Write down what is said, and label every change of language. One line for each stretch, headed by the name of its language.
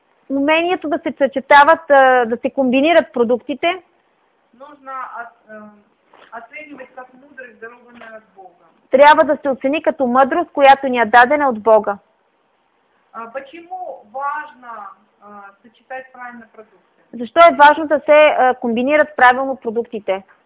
Bulgarian: Умението да се съчетават, да се комбинират продуктите.
Russian: Нужно оценивать как мудрость, дарованная от Бога.
Bulgarian: Трябва да се оцени като мъдрост, която ни е дадена от Бога.
Russian: Почему важно сочетать правильно продукты?
Bulgarian: Защо е важно да се комбинират правилно продуктите?